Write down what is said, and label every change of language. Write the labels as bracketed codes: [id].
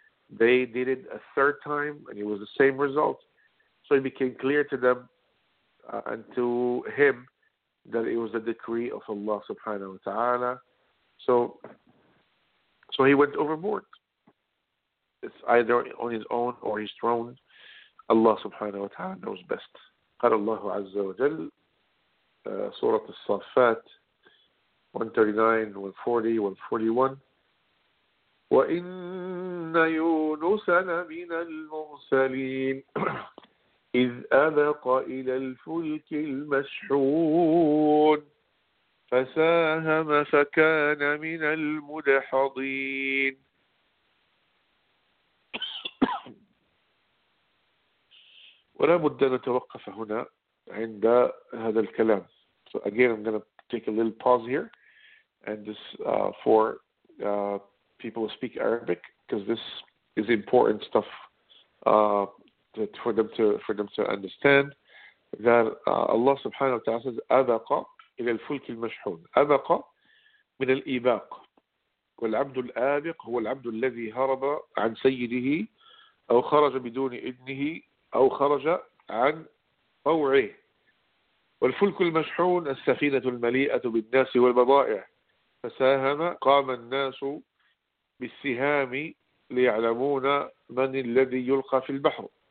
[en] They did it a third time, and it was the same result. So it became clear to them and to him that it was a decree of Allah subhanahu wa ta'ala. So he went overboard. It's either on his own or he's thrown. Allah subhanahu wa ta'ala knows best. [ar] قال الله عز وجل سورة الصافات 139, 140, 141 وإن إِنَّ يُونُسَ لَمِنَ الْمُرْسَلِينَ إِذْ أَبَقَ إِلَى الْفُلْكِ الْمَشْحُونِ فَسَاهَمَ فَكَانَ مِنَ الْمُدْحَضِينَ ولا بد أن نتوقف هنا عند هذا الكلام. [en] So again, I'm going to take a little pause here, and this for people who speak Arabic, because this is important stuff for them to understand that Allah Subhanahu wa Taala says [ar] أبقى إلى الفلك المشحون. أبقى من الإباق. والعبد الآبق هو العبد الذي هرب عن سيده أو خرج بدون إذنه أو خرج عن طوعه. والفلك المشحون السفينة المليئة بالناس والبضائع. فساهم قام الناس بالسهام ليعلمون من الذي يلقى في البحر.